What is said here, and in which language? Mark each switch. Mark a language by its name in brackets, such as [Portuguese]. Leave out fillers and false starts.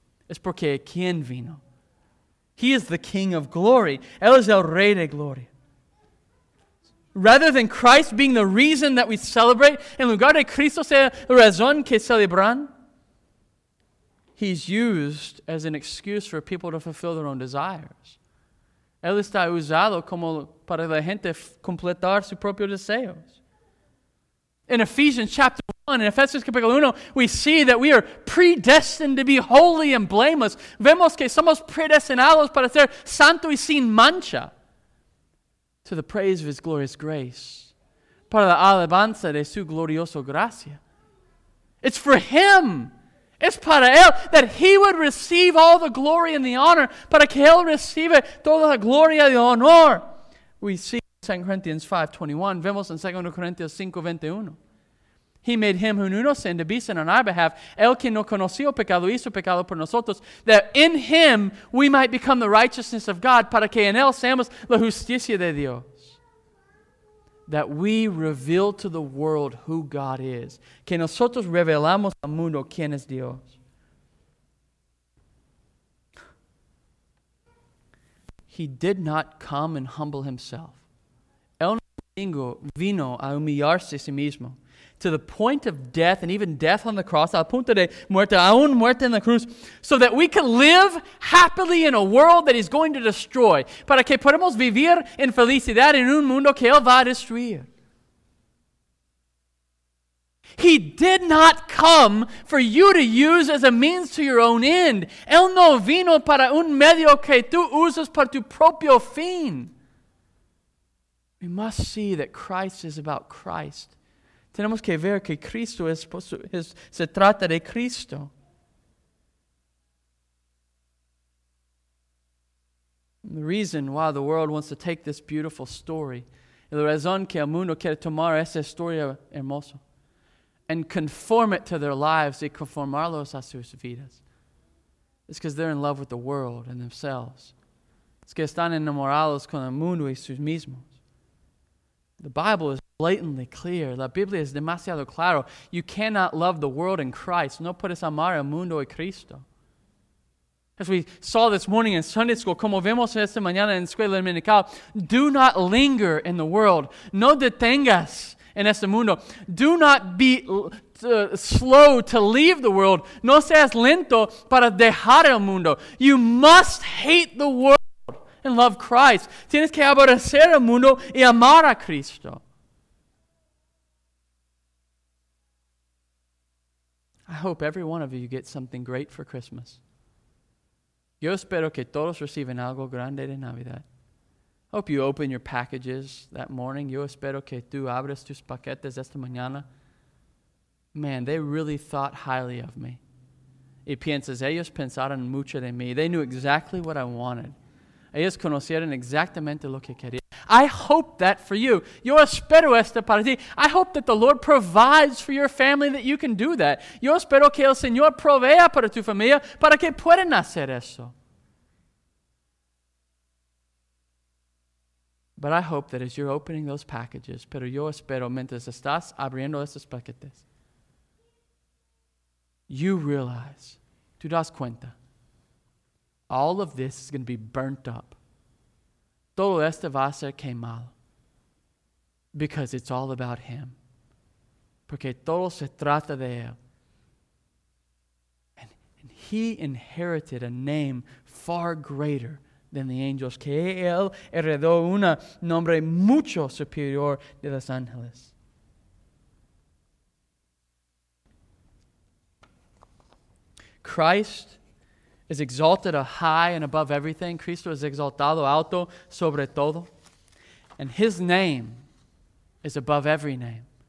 [Spanish] Es porque quien vino. [English] He is the King of glory. [Spanish] Él es el Rey de gloria. [English] Rather than Christ being the reason that we celebrate, [Spanish] en lugar de Cristo ser la razón que celebran, [English] he's used as an excuse for people to fulfill their own desires. [Spanish] Él está usado como para la gente completar sus propios deseos. [English] In Ephesians chapter 1, [Spanish] in Ephesians capítulo 1, [English] we see that we are predestined to be holy and blameless. [Spanish] Vemos que somos predestinados para ser santo y sin mancha. [English] To the praise of his glorious grace. [Spanish] Para la alabanza de su glorioso gracia. [English] It's for him. [Spanish] Es para él. [English] That he would receive all the glory and the honor. [Spanish] Para que él reciba toda la gloria y honor. [English] We see in 2 Corinthians 5:21. [Spanish] Vemos en 2 Corinthians 5:21. [English] He made him who knew no sin to be sin on our behalf. [Spanish] El que no conoció pecado hizo pecado por nosotros. [English] That in him we might become the righteousness of God. [Spanish] Para que en él seamos la justicia de Dios. [English] That we reveal to the world who God is. [Spanish] Que nosotros revelamos al mundo quién es Dios. [English] He did not come and humble himself. [Spanish] El no vino a humillarse a sí mismo. [English] To the point of death and even death on the cross, [Spanish] al punto de muerte, aún muerte en la cruz, [English] so that we can live happily in a world that he's going to destroy. [Spanish] Para que podamos vivir en felicidad en un mundo que él va a destruir. [English] He did not come for you to use as a means to your own end. [Spanish] Él no vino para un medio que tú usas para tu propio fin. [English] We must see that Christ is about Christ. [Spanish] Tenemos que ver que Cristo se trata de Cristo. [English] And the reason why the world wants to take this beautiful story, [Spanish] la razón que el mundo quiere tomar esa historia hermosa, [English] and conform it to their lives [Spanish] y conformarlos a sus vidas, [English] is because they're in love with the world and themselves. [Spanish] Es que están enamorados con el mundo y sus mismos. [English] The Bible is blatantly clear. [Spanish] La Biblia es demasiado claro. [English] You cannot love the world and Christ. [Spanish] No puedes amar el mundo y Cristo. [English] As we saw this morning in Sunday school, [Spanish] como vemos esta mañana en escuela dominical, [English] do not linger in the world. [Spanish] No detengas en este mundo. [English] Do not be slow to leave the world. No seas lento para dejar el mundo. You must hate the world and love Christ. [Spanish] Tienes que aborrecer el mundo y amar a Cristo. [English] I hope every one of you get something great for Christmas. [Spanish] Yo espero que todos reciban algo grande de Navidad. [English] Hope you open your packages that morning. [Spanish] Yo espero que tú abres tus paquetes esta mañana. [English] Man, they really thought highly of me. [Spanish] Y piensas, ellos pensaron mucho de mí. [English] They knew exactly what I wanted. [Spanish] Ellos conocieron exactamente lo que quería. [English] I hope that for you. [Spanish] Yo espero esto para ti. [English] I hope that the Lord provides for your family that you can do that. [Spanish] Yo espero que el Señor provea para tu familia para que puedan hacer eso. [English] But I hope that as you're opening those packages, [Spanish] pero yo espero mientras estás abriendo esos paquetes, [English] you realize, [Spanish] tú das cuenta, [English] all of this is going to be burnt up. [Spanish] Todo esto va a ser quemado. [English] Because it's all about Him. [Spanish] Porque todo se trata de Él. [English] And He inherited a name far greater than the angels. [Spanish] Que Él heredó un nombre mucho superior de los ángeles. [English] Christ is exalted high and above everything. [Spanish] Cristo es exaltado alto sobre todo. [English] And His name is above every name.